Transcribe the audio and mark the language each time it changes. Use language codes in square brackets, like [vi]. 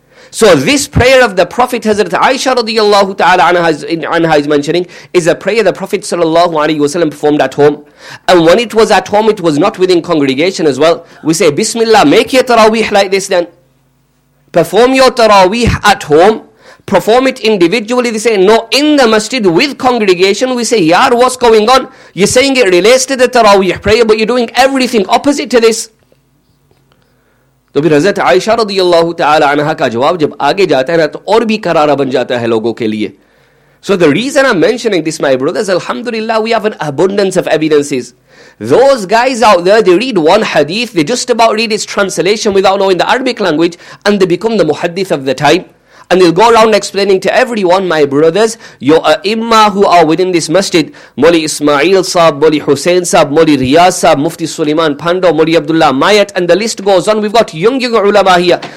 [en] So this prayer of the prophet हजरत Aisha रदियल्लाहु तआला अन्हा is mentioning is a prayer the prophet सल्लल्लाहु अलैहि वसल्लम performed at home, and when it was at home, it was not with in congregation as well. We say बिस्मिल्लाह, make your तरावीह like this, then perform your तरावीह at home, perform it individually, they say, no, in the masjid with congregation, we say, yaar, what's going on? You're saying it relates to the tarawih prayer, but you're doing everything opposite to this. [ur] تو پھر حضرت عائشہ رضی اللہ تعالی عنہ کا جواب جب آگے جاتا ہے نا تو اور بھی قرارہ بن جاتا ہے لوگوں کے لیے. [en] So the reason I'm mentioning this, my brothers, alhamdulillah, we have an abundance of evidences. Those guys out there, they read one hadith, they just about read its translation without knowing the Arabic language, and they become the muhaddith of the time. And they'll go around explaining to everyone, my brothers, your a'imma who are within this masjid, Moli Ismail Saab, Moli Hussein Saab, Moli Riyaz Saab, Mufti Suleiman Pando, Moli Abdullah Mayat, and the list goes on. We've got young ulama here.